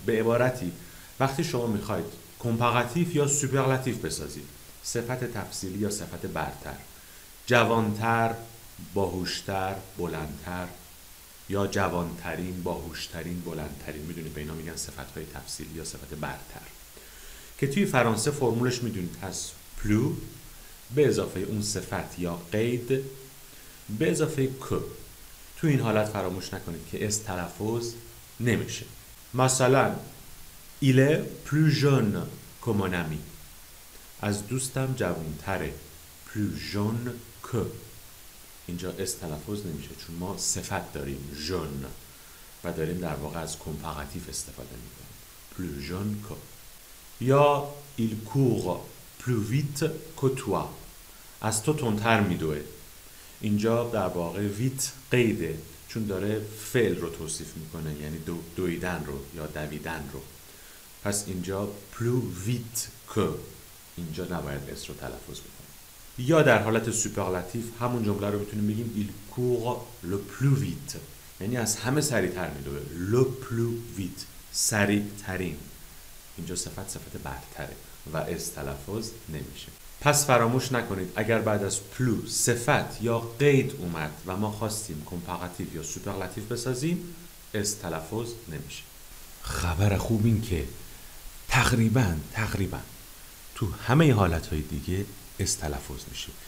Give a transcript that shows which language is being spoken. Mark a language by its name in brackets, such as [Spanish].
[Persian] به عبارتی وقتی شما میخواید کمپاراتیف یا سوپرلاتیف بسازید، صفت تفصیلی یا صفت برتر، جوانتر، باهوشتر، بلندتر، یا جوانترین، باهوشترین، بلندترین، میدونید به اینا میگن صفتهای تفصیلی یا صفت برتر، که توی فرانسه فرمولش میدونید هست پلو به اضافه اون صفت یا قید به اضافه کو. تو این حالت فراموش نکنید که اس تلفظ نمیشه. [French] مثلا il est plus jeune que mon ami. [Persian] از دوستم جوان تره. [French] plus jeune que. [Persian] اینجا اس تلفظ نمیشه چون ما صفت داریم جون و داریم در واقع از کمپاراتیف استفاده میکنیم. [French] plus jeune que. یا il court plus vite que toi. [Persian] از تو تندتر میدوه. اینجا در واقع ویت قیده چون داره فعل رو توصیف میکنه، یعنی دویدن رو یا دویدن رو. پس اینجا [French] plus vite que، [Persian] اینجا نباید اس رو تلفظ بکنیم. یا در حالت سوپرلاتیف همون جمله رو بتونیم بگیم [French] il court le plus vite، [Persian] یعنی از همه سریع تر میدوه. [French] le plus vite، [Persian] سریع ترین. اینجا صفت صفت برتره و اس تلفظ نمیشه. پس فراموش نکنید اگر بعد از پلو صفت یا قید اومد و ما خواستیم کمپاراتیو یا سوپرلاتیو بسازیم، اس تلفظ نمیشه. خبر خوب این که تقریبا تو همه حالتهای دیگه اس تلفظ میشه.